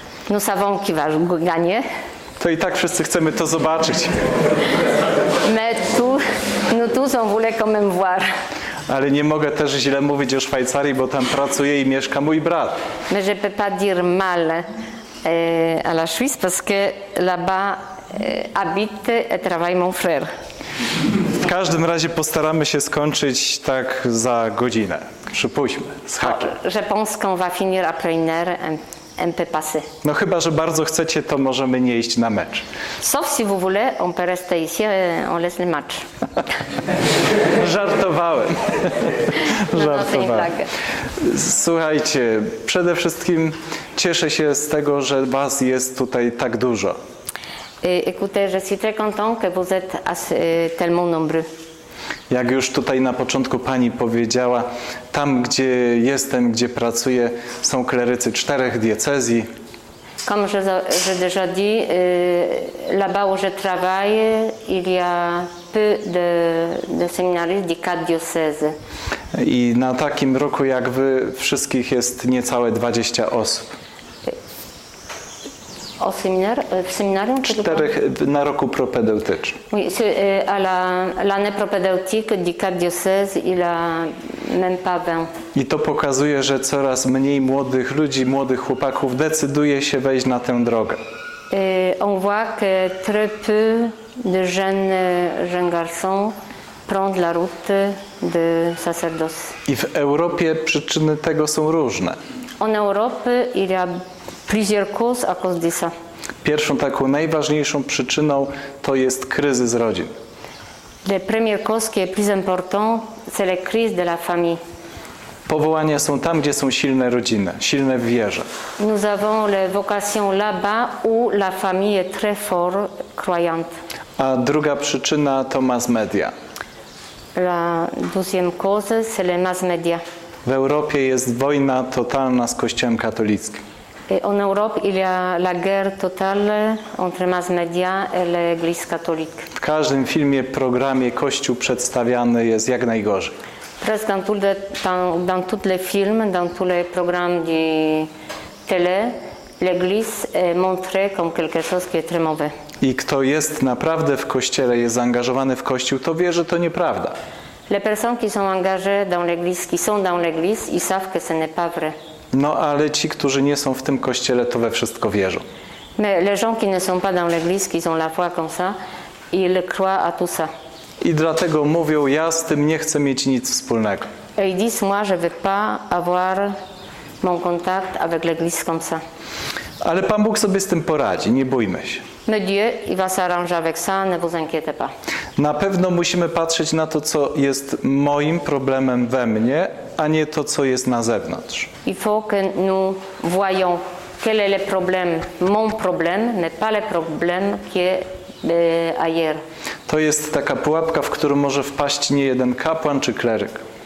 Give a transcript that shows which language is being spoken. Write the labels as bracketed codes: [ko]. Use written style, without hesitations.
[fr] Nous savons qui va gagner. [pl] To i tak wszyscy chcemy to zobaczyć. [fr] Mais tous on voulait quand même voir. [pl] Ale nie mogę też źle mówić o Szwajcarii, bo tam pracuje i mieszka mój brat. [fr] Mais je peux pas dire mal à la Suisse parce que là-bas habite et travaille mon frère. [pl] W każdym razie postaramy się skończyć tak za godzinę. Przypuśćmy, z hakiem. [fr] Je pense qu'on va finir après une heure un peu passé. [pl] No chyba, że bardzo chcecie, to możemy nie iść na mecz. [fr] Sauf si vous voulez, on peut rester ici, on laisse le match. [pl] Żartowałem. Żartowałem. Słuchajcie, przede wszystkim cieszę się z tego, że was jest tutaj tak dużo. [fr] Écoutez, je suis très content que vous êtes tellement nombreux. [pl] Jak już tutaj na początku pani powiedziała, tam gdzie jestem, gdzie pracuję, są klerycy czterech diecezji. [fr] Comme je déjà dit, là-bas où je travaille, il y a peu de séminaristes des quatre diocèses. [pl] I na takim roku jak wy, wszystkich jest niecałe 20 osób. [fr] Au séminaire, [pl] w seminarium? Czterech na roku propedeutycznym. [fr] Oui, à l'année propedeutique du quatre diocèses, il a même pas 20. [pl] I to pokazuje, że coraz mniej młodych ludzi, młodych chłopaków decyduje się wejść na tę drogę. [fr] On voit que très peu de jeunes garçons prennent la route de sacerdoce. [pl] I w Europie przyczyny tego są różne. [fr] En Europe, il y a plusieurs causes à cause de ça. [pl] Pierwszą taką najważniejszą przyczyną to jest kryzys rodzin. [fr] La première cause qui est plus importante, c'est la crise de la famille. [pl] Powołania są tam, gdzie są silne rodziny, silne w wierze. [fr] Nous avons les vocations là-bas où la famille est très fort croyante. [pl] A druga przyczyna to mass media. [fr] La deuxième cause, c'est les mass media. [pl] W Europie jest wojna totalna z Kościołem katolickim. [fr] En Europe, il y a la guerre totale entre mass media et l'Église catholique. [pl] W każdym filmie, programie Kościół przedstawiany jest jak najgorzej. [fr] Presque dans tous les films, dans tous les programmes de télé, l'Église est montrée comme quelque chose qui est très mauvais. [pl] I kto jest naprawdę w Kościele, jest zaangażowany w Kościół, to wie, że to nieprawda. [fr] Les personnes qui sont engagées dans l'Église, qui sont dans l'Église, ils savent que ce n'est pas vrai. [pl] No, ale ci, którzy nie są w tym kościele, to we wszystko wierzą. [fr] Mais les gens qui ne sont pas dans l'église, qui ont la foi comme ça, ils croient à tout ça. [pl] I dlatego mówią, ja z tym nie chcę mieć nic wspólnego. [fr] Et ils disent, moi, je veux pas avoir mon contact avec l'église comme ça. [pl] Ale Pan Bóg sobie z tym poradzi, nie bójmy się. [fr] Mais Dieu, il va s'arranger avec ça, ne vous inquiétez pas. [pl] Na pewno musimy patrzeć na to, co jest moim problemem we mnie, a nie to, co jest na zewnątrz. [fr] Il faut que nous voyons quel est le problème, mon problème, mais pas le problème qui est ailleurs. [pl] To jest taka pułapka, w którą może wpaść nie jeden kapłan czy kleryk.